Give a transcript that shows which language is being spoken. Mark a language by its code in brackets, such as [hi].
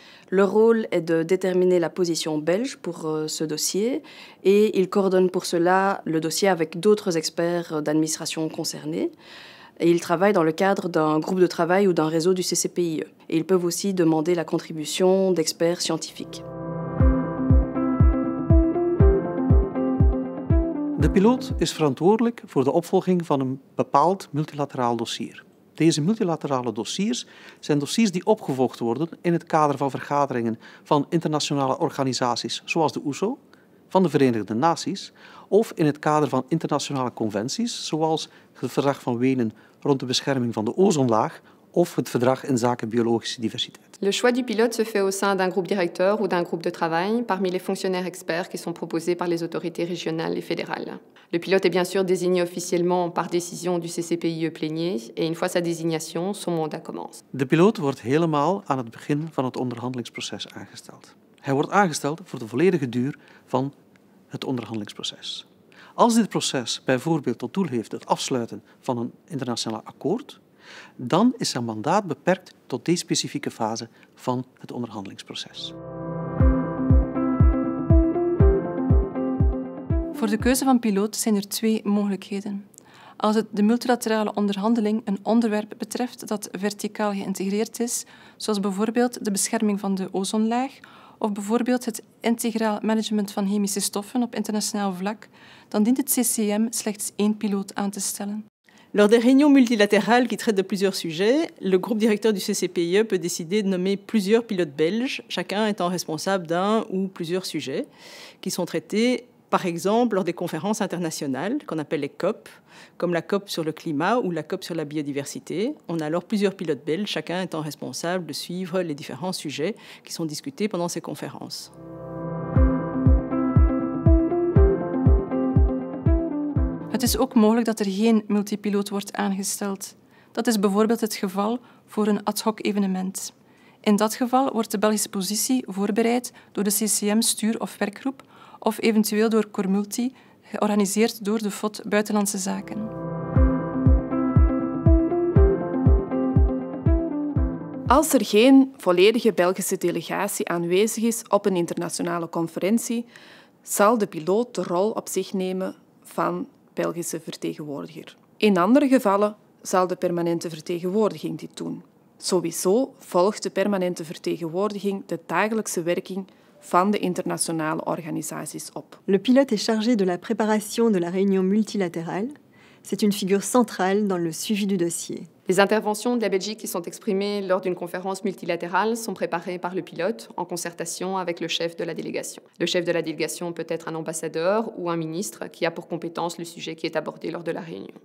[fr] Leur rôle est de déterminer la position belge pour ce dossier et ils coordonnent pour cela le dossier avec d'autres experts d'administration concernés. Et ils travaillent dans le cadre d'un groupe de travail ou d'un réseau du CCPIE. Et ils peuvent aussi demander la contribution d'experts scientifiques. [nl] De piloot is verantwoordelijk voor de opvolging van een bepaald multilateraal dossier. Deze multilaterale dossiers zijn dossiers die opgevolgd worden in het kader van vergaderingen van internationale organisaties zoals de OESO, van de Verenigde Naties, of in het kader van internationale conventies zoals het verdrag van Wenen rond de bescherming van de ozonlaag of het verdrag inzake biologische diversiteit. [fr] Le choix du pilote se fait au sein d'un groupe directeur ou d'un groupe de travail parmi les fonctionnaires experts qui sont proposés par les autorités régionales et fédérales. Le pilote est bien sûr désigné officiellement par décision du CCPIE plénier et une fois sa désignation, son mandat commence. [nl] De pilote wordt helemaal aan het begin van het onderhandelingsproces aangesteld. Hij wordt aangesteld voor de volledige duur van het onderhandelingsproces. Als dit proces bijvoorbeeld tot doel heeft het afsluiten van een internationaal akkoord, dan is zijn mandaat beperkt tot deze specifieke fase van het onderhandelingsproces. Voor de keuze van piloot zijn er twee mogelijkheden. Als het de multilaterale onderhandeling een onderwerp betreft dat verticaal geïntegreerd is, zoals bijvoorbeeld de bescherming van de ozonlaag, of bijvoorbeeld het integraal management van chemische stoffen op internationaal vlak, dan dient het CCM slechts één piloot aan te stellen. [fr] Lors des réunions multilatérales qui traitent de plusieurs sujets, le groupe directeur du CCPIE peut décider de nommer plusieurs pilotes belges, chacun étant responsable d'un ou plusieurs sujets qui sont traités, par exemple, lors des conférences internationales, qu'on appelle les COP, comme la COP sur le climat ou la COP sur la biodiversité. On a alors plusieurs pilotes belges, chacun étant responsable de suivre les différents sujets qui sont discutés pendant ces conférences. [nl] Het is ook mogelijk dat er geen multipiloot wordt aangesteld. Dat is bijvoorbeeld het geval voor een ad hoc evenement. In dat geval wordt de Belgische positie voorbereid door de CCM-stuur- of werkgroep of eventueel door Cormulti, georganiseerd door de FOD Buitenlandse Zaken. Als er geen volledige Belgische delegatie aanwezig is op een internationale conferentie, zal de piloot de rol op zich nemen van Belgische vertegenwoordiger. In andere gevallen zal de permanente vertegenwoordiging dit doen. Sowieso volgt de permanente vertegenwoordiging de dagelijkse werking van de internationale organisaties op. [fr] Le pilote est chargé de la préparation de la réunion multilatérale. C'est une figure centrale dans le suivi du dossier. Les interventions de la Belgique qui sont exprimées lors d'une conférence multilatérale sont préparées par le pilote en concertation avec le chef de la délégation. Le chef de la délégation peut être un ambassadeur ou un ministre qui a pour compétence le sujet qui est abordé lors de la réunion.